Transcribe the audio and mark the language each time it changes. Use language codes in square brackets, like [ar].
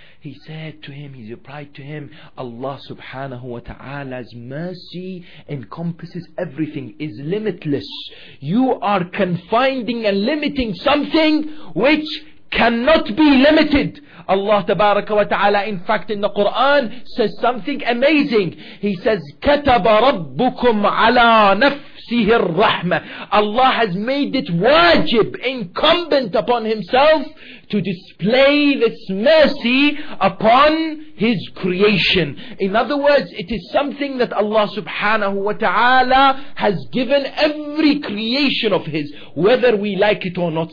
[en] He said to him, he replied to him, Allah subhanahu wa ta'ala's mercy encompasses everything, is limitless. You are confining and limiting something which cannot be limited. Allah tabaraka wa ta'ala, in fact, in the Quran says something amazing. He says, [ar] كَتَبَ رَبُّكُمْ عَلَىٰ نَفْسِهِ الرَّحْمَةِ. [en] Allah has made it wajib, incumbent upon Himself, to display this mercy upon His creation. In other words, it is something that Allah subhanahu wa ta'ala has given every creation of His, whether we like it or not.